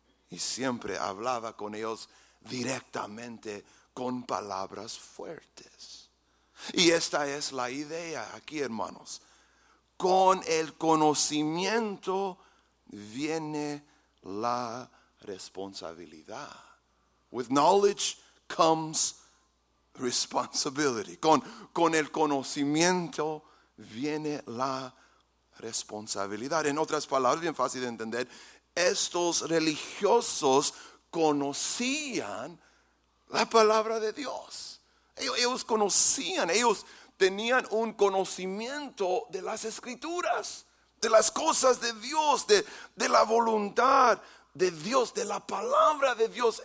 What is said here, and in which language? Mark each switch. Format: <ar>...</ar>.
<es>Y siempre hablaba con ellos directamente con palabras fuertes. Y esta es la idea aquí, hermanos. Con el conocimiento viene la responsabilidad.</es> <en>With knowledge comes responsibility.</en> <es>Con el conocimiento viene la responsabilidad. En otras palabras, bien fácil de entender, estos religiosos conocían la palabra de Dios. Ellos conocían, ellos tenían un conocimiento de las escrituras, de las cosas de Dios, de la voluntad de Dios, de la palabra de Dios.</es>